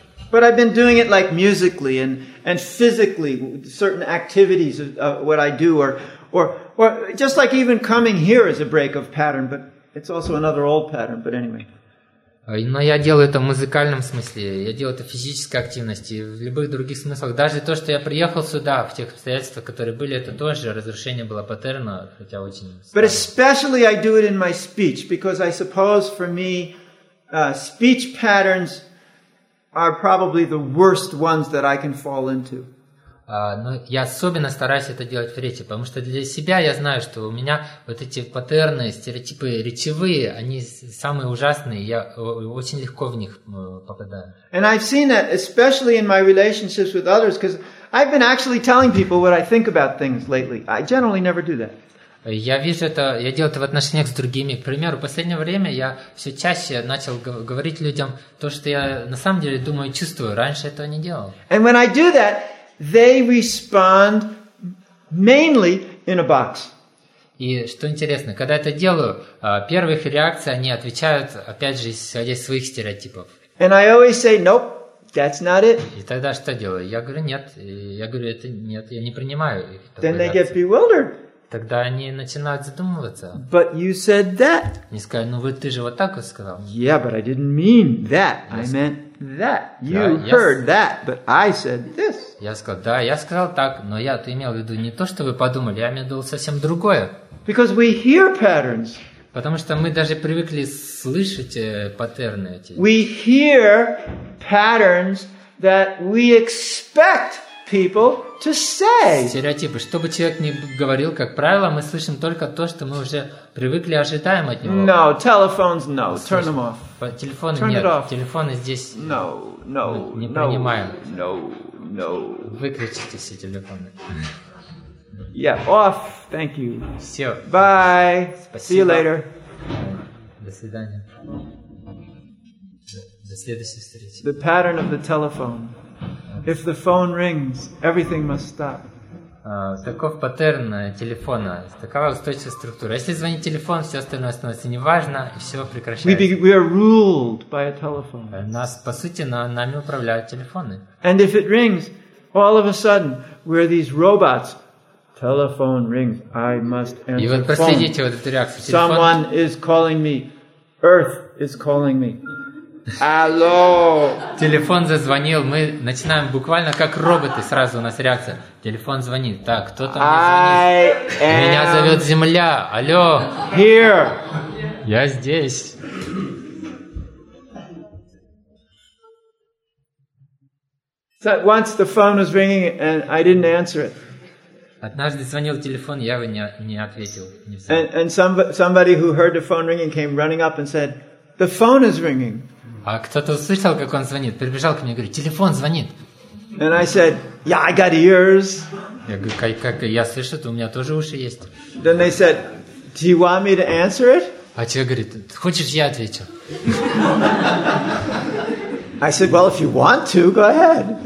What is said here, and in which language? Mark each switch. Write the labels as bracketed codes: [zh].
[en] But I've been doing it like musically and physically, certain activities of what I do, or just like even coming here is a break of pattern, but it's also another old pattern, but anyway. [ru] Но я делаю это в музыкальном смысле, я делаю это в физической активности, в любых других смыслах. Даже то, что я приехал сюда, в тех обстоятельствах, которые были, это тоже разрушение было паттерна, хотя очень... [en] But especially I do it in my speech, because I suppose for me, speech patterns are probably the worst ones that I can fall into. [ru] Но я особенно стараюсь это делать в речи, потому что для себя я знаю, что у меня вот эти паттерны, стереотипы речевые, они самые ужасные, я очень легко в них попадаю. [en] And I've seen that especially in my relationships with others, because I've been actually telling people what I think about things lately. I generally never do that. [ru] Я вижу это, я делаю это в отношениях с другими. К примеру, в последнее время я все чаще начал говорить людям то, что я на самом деле думаю и чувствую. Раньше этого не делал. [en] And when I do that, they respond mainly in a box. [ru] И что интересно, когда это делаю, первых реакций они отвечают, опять же, исходя из своих стереотипов. [en] And I always say, nope, that's not it. [ru] И тогда что делаю? Я говорю, нет. Я говорю, это нет, я не принимаю их. [en] Then they get bewildered. [ru] Тогда они начинают задумываться. [en] But you said that. [ru] Они сказали, ну вот ты же вот так вот сказал. [en] Yeah, but I didn't mean that. I meant that. You heard that, but I said this. [ru] Я сказал, да, я сказал так, но я имел в виду не то, что вы подумали, я имел в виду совсем другое. [en] Because we hear patterns. [ru] Потому что мы даже привыкли слышать паттерны эти. [en] We hear patterns that we expect people to say. [ru] Стереотипы. Что бы человек ни говорил, как правило, мы слышим только то, что мы уже привыкли, ожидаем от него. [en] No, telephones, no. Turn them off. [ru] Телефоны нет. [en] Turn it off. [ru] Телефоны здесь [en] no, no, [ru] не принимаем. [en] No, no. [ru] Выключите все телефоны. [en] Yeah, off. Thank you. [ru] Все. [en] Bye. [ru] Спасибо. [en] See you later. [ru] До свидания. До следующей встречи. [en] The pattern of the telephone. If the phone rings, everything must stop. [ru] Таков паттерн телефона. Такова устойчивая структура. Если звонит телефон, все остальное становится неважно, и все прекращается. [en] We are ruled by a telephone. [ru] Нас, по сути, нами управляют телефоны. [en] And if it rings, all of a sudden, we're these robots. Telephone rings. I must answer. [ru] И вот проследите вот эту реакцию. Телефон. [en] Someone is calling me. Earth is calling me. Hello. [ru] Телефон зазвонил. Мы начинаем буквально как роботы. Сразу у нас реакция. Телефон звонит. Так, кто там мне звонит? Меня зовет Земля. Алло. [en] Here. [ru] Я здесь. [en] So once the phone was ringing and I didn't answer it. [ru] Однажды звонил телефон, я его не ответил. Не взял. [en] And somebody who heard the phone ringing came running up and said, "The phone is ringing." [ru] А кто-то услышал, как он звонит, прибежал ко мне и говорит, "Телефон звонит." [en] And I said, "Yeah, I got ears." [ru] Я говорю, как я слышу, то у меня тоже уши есть. [en] Then they said, "Do you want me to answer it?" [ru] А человек говорит, "Хочешь, я отвечу?" [en] I said, "Well, if you want to, go ahead."